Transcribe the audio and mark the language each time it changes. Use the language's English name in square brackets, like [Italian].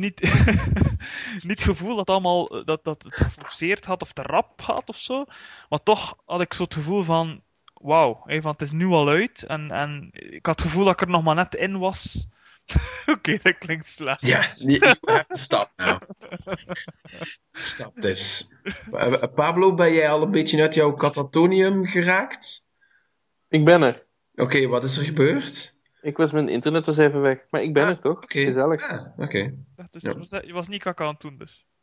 [Dutch] niet het gevoel dat allemaal dat het geforceerd had of te rap had of zo. Maar toch had ik zo het gevoel van, wauw, want het is nu al uit. En ik had het gevoel dat ik er nog maar net in was. Oké, dat klinkt slecht. [English] Ja, yeah, you have to stop now. Stop this. [Dutch] Pablo, ben jij al een beetje uit jouw catatonium geraakt? Ik ben er. Oké, wat is er gebeurd? Mijn internet was even weg. Maar ik ben er toch? Okay. Gezellig. Ah, okay. Ja, dus ja. Je was niet kaka aan het doen dus?